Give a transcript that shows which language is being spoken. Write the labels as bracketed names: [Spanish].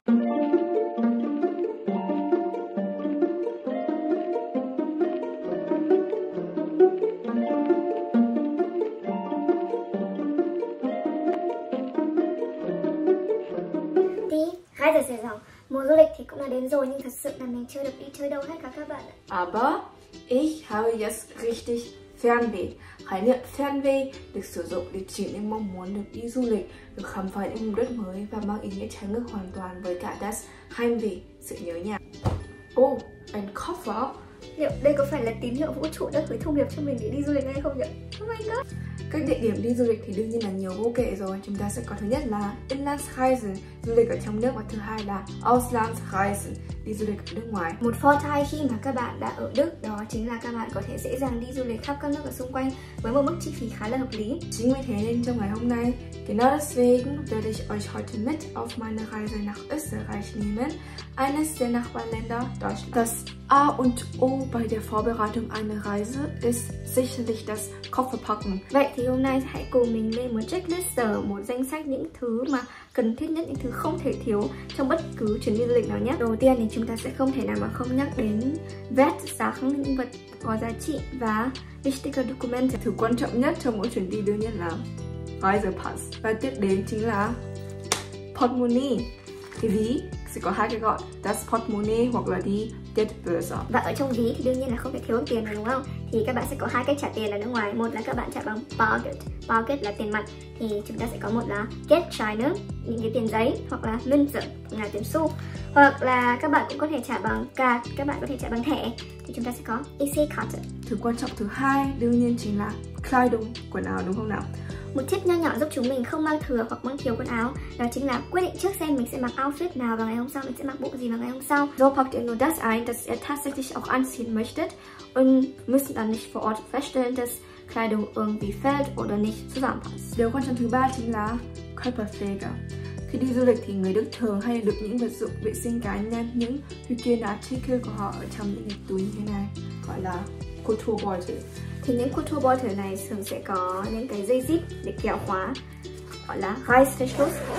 [German] Die Reisesaison. Mosulik liegt unter den Sonnen, das sind nämlich chưa được đi chơi đâu hay cả các bạn. Aber ich habe jetzt richtig Fernweh. [Vietnamese] Hãy nhận Fernweh được sử dụng để chỉ những mong muốn được đi du lịch, được khám phá những vùng đất mới và mang ý nghĩa trái ngược hoàn toàn với cả [German] das Heimweh, [Vietnamese] sự nhớ nhà. [German] Oh, ein Koffer. [Vietnamese] Liệu đây có phải là tín hiệu vũ trụ đã gửi thông điệp cho mình để đi du lịch hay không nhỉ? [English] Oh my god. [Vietnamese] Các địa điểm đi du lịch thì đương nhiên là nhiều vô kệ rồi. Chúng ta sẽ có thứ nhất là Inlandsreisen, du lịch ở trong nước, và thứ hai là Auslandsreisen, đi du lịch ở nước ngoài. Một Vorteil khi mà các bạn đã ở Đức đó chính là các bạn có thể dễ dàng đi du lịch khắp các nước ở xung quanh với một mức chi phí khá là hợp lý. Chính vì thế nên trong ngày hôm nay, [German] genau deswegen werde ich euch heute mit auf meine Reise nach Österreich nehmen, eines der Nachbarländer Deutschlands. Das A und O bei der Vorbereitung einer Reise ist sicherlich das Kofferpacken. [Vietnamese] Vậy thì hôm nay hãy cùng mình lên một checklist, một danh sách những thứ mà cần thiết nhất, những thứ không thể thiếu trong bất cứ chuyến đi du lịch nào nhé. Đầu tiên thì chúng ta sẽ không thể nào mà không nhắc đến vest, sáng, những vật có giá trị và [German] wichtige Dokumente. [Vietnamese] Thứ quan trọng nhất trong mỗi chuyến đi đương nhiên là Reisepass. Và tiếp đến chính là Portemonnaie. Cái ví sẽ có hai cái gọi, das Portemonnaie hoặc là die Geldbörse. Và ở trong ví thì đương nhiên là không thể thiếu tiền rồi, đúng không? Thì các bạn sẽ có hai cách trả tiền ở nước ngoài. Một là các bạn trả bằng Bargeld. Bargeld là tiền mặt. Thì chúng ta sẽ có một là Geldscheine, những cái tiền giấy, hoặc là Münze, là tiền xu. Hoặc là các bạn cũng có thể trả bằng card, các bạn có thể trả bằng thẻ. Thì chúng ta sẽ có EC-Karte. Thứ quan trọng thứ hai đương nhiên chính là Kleidung, quần áo, đúng không nào? Một tip nho nhỏ giúp chúng mình không mang thừa hoặc mang thiếu quần áo đó chính là quyết định trước xem mình sẽ mặc outfit nào vào ngày hôm sau, mình sẽ mặc bộ gì vào ngày hôm sau. [German] So packt ihr nur das ein, das ihr tatsächlich auch anziehen möchtet und müsst dann nicht vor Ort feststellen, dass Kleidung irgendwie fällt oder nicht zusammenpasst. [Vietnamese] Điều quan trọng thứ ba chính là Körperpflege. Khi đi du lịch thì người Đức thường hay đựng những vật dụng vệ sinh cá nhân, những Hygieneartikel của họ ở trong những cái túi như thế này, gọi là Kulturbeutel. Thì những Kulturbeutel này thường sẽ có những cái dây zip để kéo khóa, gọi là Reißverschluss.